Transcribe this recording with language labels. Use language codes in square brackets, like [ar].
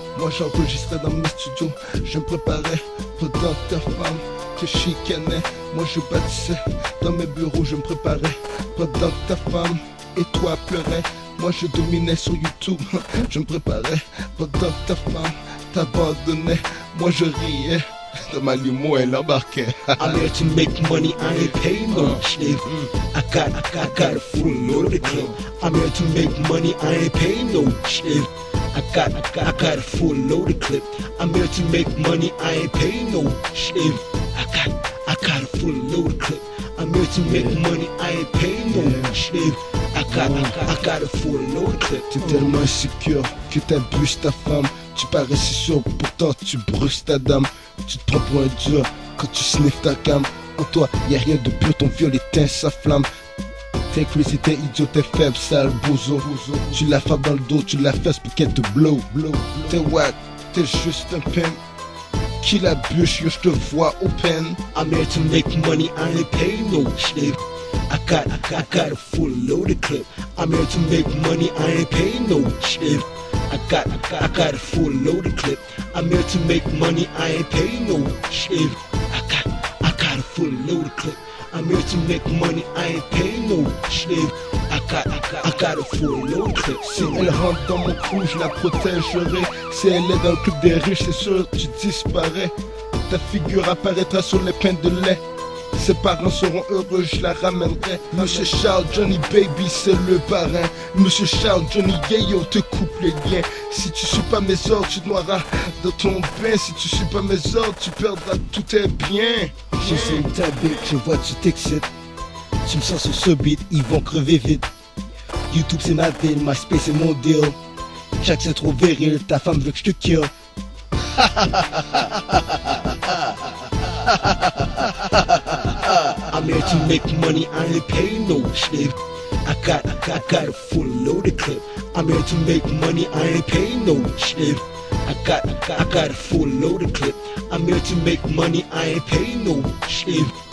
[fr] Moi j'enregistrais dans mes studios. Je me préparais pendant ta femme te chicanait. Moi je bâtissais dans mes bureaux, je me préparais pendant ta femme et toi pleurais. Moi je dominais sur YouTube, je me préparais pendant ta femme t'abandonnait. Moi je riais dans ma limo, elle embarquait. [en] I'm here to make money, I ain't paying no shit. I got a full loaded clip. I'm here to make money, I ain't paying no shit. I got a full loaded clip. I'm here to make money, I ain't paying no shit. I got a full loaded clip. I'm here to make money, I ain't paying no shit. I got a full loaded clip. [fr] T'es tellement insécure que t'abuses ta femme. Tu parais si sûr, pourtant tu brusques ta dame. Tu te prends pour un dur quand tu sniffes ta cam. En toi, y'a rien de pur, ton viol éteint sa flamme. T'es cru, c'était idiot, t'es faible, sale bozo. Tu la frappes dans le dos, tu la fesses pour qu'elle te blow. T'es wack, t'es juste un pimp. Qui la bûche, yo, j'te vois au pen. [en] I'm here to make money, I ain't paying no shit. I got a full loaded clip. I'm here to make money, I ain't paying no shit. I got a full loaded clip. I'm here to make money, I ain't paying no shit. I got a full loaded clip. I'm here to make money, I ain't paying no shit. I got a full loaded clip. [fr] Si elle rentre dans mon crew, je la protégerai. Si elle est dans le club des riches, c'est sûr tu disparais. Ta figure apparaîtra sur les pains de lait. Ses parents seront heureux, je la ramènerai. Monsieur Charles Johnny Baby, c'est le parrain. Monsieur Charles Johnny Yeo, te coupe les liens. Si tu suis pas mes ordres, tu te noieras dans ton bain. Si tu suis pas mes ordres, tu perdras tous tes biens. Je sens ta bite, je vois tu t'excites. Tu me sens sur ce beat, ils vont crever vite. YouTube c'est ma ville, ma space c'est mon deal. Jack c'est trop viril, ta femme veut que je te kill. [en] I'm here to make money, I ain't paying no shit. I got a full loaded clip. I'm here to make money, I ain't paying no shit. I got a full loaded clip. I'm here to make money, I ain't paying no shit.